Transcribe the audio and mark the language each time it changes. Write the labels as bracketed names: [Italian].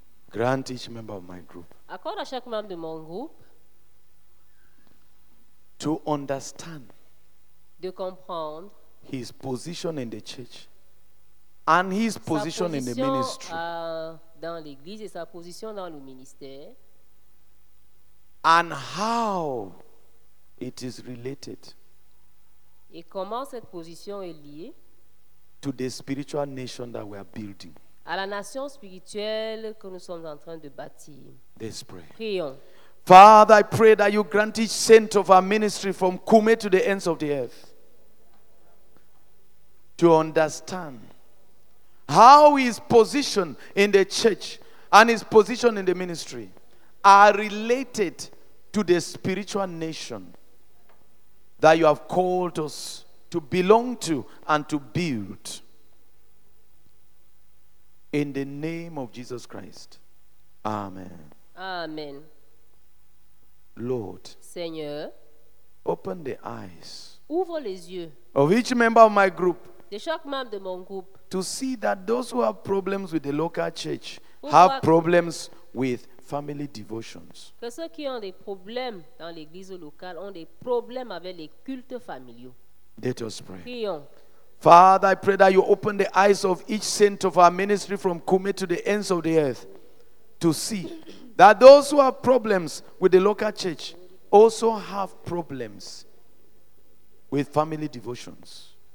[English] Grant each member of my group. [French] Accorde à chaque membre de mon groupe. [English] To understand. [French] De comprendre. [English] His position in the church and his position in the ministry. [French] Dans l'église et sa position dans le ministère. [English] And how it is related. [French] Et comment cette position est liée [English] to the spiritual nation that we are building. [French] À la nation spirituelle que nous sommes en train de bâtir. [English] Let's pray. [French] Prions. [English] Father, I pray that you grant each saint of our ministry from Kume to the ends of the earth. To understand how his position in the church and his position in the ministry are related to the spiritual nation that you have called us to belong to and to build. In the name of Jesus Christ. Amen. Amen. Lord. [French] Seigneur. [English] Open the eyes. [French] Ouvre les yeux. [English] Of each member of my group. [French] De chaque membre de mon groupe. [English] To see that those who have problems with the local church have problems with family devotions. [French] Que ceux qui ont des problèmes dans l'église locale ont des problèmes avec les cultes familiaux. [English] Let us pray. [French] Prions. [English] Father, I pray that you open the eyes of each saint of our ministry from Kume to the ends of the earth to see that those who have problems with the local church also have problems with family devotions.